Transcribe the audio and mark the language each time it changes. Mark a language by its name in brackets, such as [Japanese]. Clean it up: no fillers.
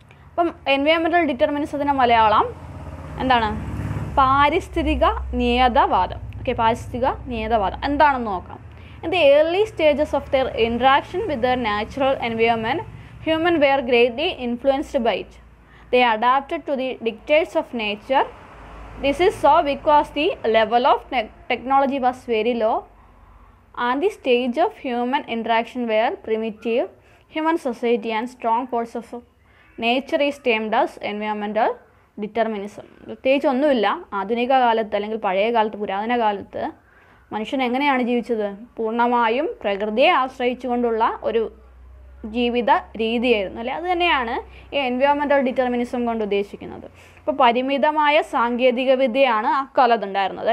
[Malayalam] അപ്പം എൻവയോൺമെൻ്റൽ ഡിറ്റർമിനിസത്തിൻ്റെ മലയാളം എന്താണ്? പാരിസ്ഥിതിക നിയതവാദം. ഓക്കെ, പാരിസ്ഥിതിക നിയതവാദം എന്താണെന്ന് നോക്കാം. [English] In the early stages of their interaction with their natural environment human were greatly influenced by it. They adapted to the dictates of nature. This is so because the level of technology was very low and the stage of human interaction were primitive. Human society and strong forces of nature is termed as environmental determinism. [Malayalam] പ്രത്യേകിച്ച് ഒന്നുമില്ല. ആധുനിക കാലത്ത് അല്ലെങ്കിൽ പഴയ കാലത്ത്, പുരാതന കാലത്ത് മനുഷ്യൻ എങ്ങനെയാണ് ജീവിച്ചത്? പൂർണ്ണമായും പ്രകൃതിയെ ആശ്രയിച്ചുകൊണ്ടുള്ള ഒരു ജീവിത രീതിയായിരുന്നു. അല്ലെ, അത് തന്നെയാണ് ഈ എൻവയോൺമെൻ്റൽ ഡിറ്റർമിനിസം കൊണ്ട് ഉദ്ദേശിക്കുന്നത്. ഇപ്പോൾ പരിമിതമായ സാങ്കേതിക വിദ്യയാണ് അക്കാലത്ത് ഉണ്ടായിരുന്നത്.